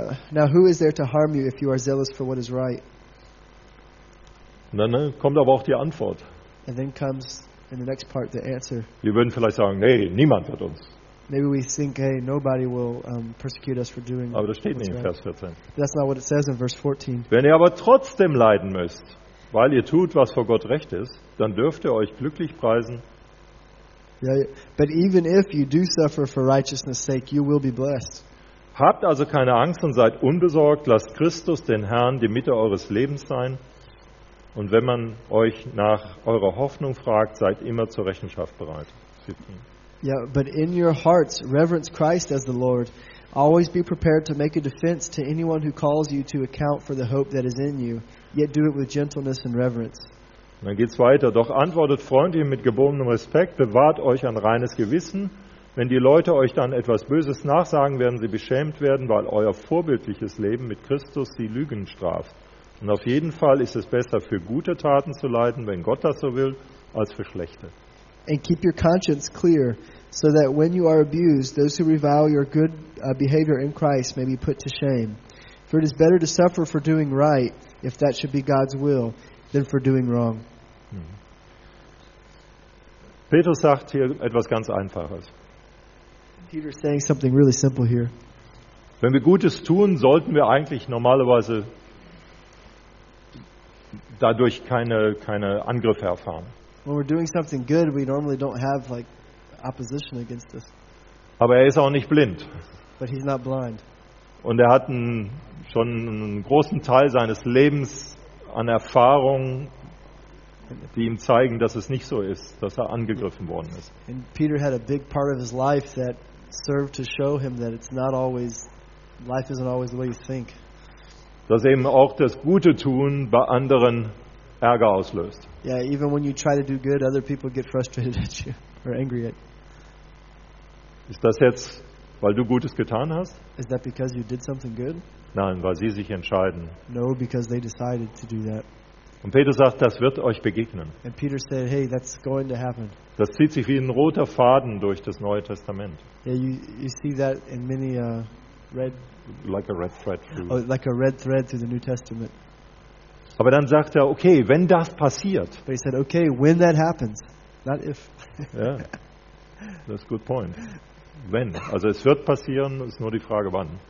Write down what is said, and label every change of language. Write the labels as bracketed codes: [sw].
[en] Now who is there to harm you if you are zealous for what is right? [de] Dann kommt aber auch die Antwort. [en] And then comes in the next part the answer. [de] Wir würden vielleicht sagen, nee, niemand wird uns. [en] Maybe we think, hey, nobody will persecute us for doing. [de] Aber das steht nicht in Vers 14. [en] But that's not what it says in verse 14. [de] Wenn ihr aber trotzdem leiden müsst, weil ihr tut, was vor Gott recht ist, dann dürft ihr euch glücklich preisen. [en] Yeah, but even if you do suffer for righteousness' sake, you will be blessed. [de] Habt also keine Angst und seid unbesorgt. Lasst Christus den Herrn die Mitte eures Lebens sein. Und wenn man euch nach eurer Hoffnung fragt, seid immer zur Rechenschaft bereit. 15. [en] Yeah, but in your hearts reverence Christ as the Lord. Always be prepared to make a defense to anyone who calls you to account for the hope that is in you. Yet do it with gentleness and reverence. [de] Und dann geht's weiter. Doch antwortet freundlich mit gebotenem Respekt. Bewahrt euch ein reines Gewissen. Wenn die Leute euch dann etwas Böses nachsagen, werden sie beschämt werden, weil euer vorbildliches Leben mit Christus die Lügen straft. Und auf jeden Fall ist es besser, für gute Taten zu leiden, wenn Gott das so will, als für schlechte. [en] And keep your conscience clear, so that when you are abused, those who revile your good behavior in Christ may be put to shame. For it is better to suffer for doing right, if that should be God's will, than for doing wrong. [de] Petrus sagt hier etwas ganz Einfaches. [en] Peter is saying something really simple here. [de] Wenn wir Gutes tun, sollten wir eigentlich normalerweise dadurch keine Angriffe erfahren. [en] When we're doing something good, we normally don't have like opposition against us. [de] Aber er ist auch nicht blind. [en] But he's not blind. [de] Und er hat schon einen großen Teil seines Lebens an Erfahrungen, die ihm zeigen, dass es nicht so ist, dass er angegriffen worden ist. [en] And Peter had a big part of his life that served to show him that it's not always life isn't always the way you think. [de] Dass eben auch das Gute tun bei anderen Ärger auslöst. [en] Yeah, even when you try to do good, other people get frustrated at you or angry at you. [de] Ist das jetzt, weil du Gutes getan hast? [en] Is that because you did something good? [de] Nein, weil sie sich entscheiden. [en] No, because they decided to do that. [de] Und Peter sagt, das wird euch begegnen. [en] And Peter said, hey, that's going to happen. [de] Das zieht sich wie ein roter Faden durch das Neue Testament. [en] Yeah, you see that in many red. Like a red thread. Like a red thread through the New Testament. [de] Aber dann sagt er, okay, wenn das passiert. [en] But he said, okay, when that happens, not if. Yeah, that's a good point. [de] Wenn, also es wird passieren, ist nur die Frage, wann.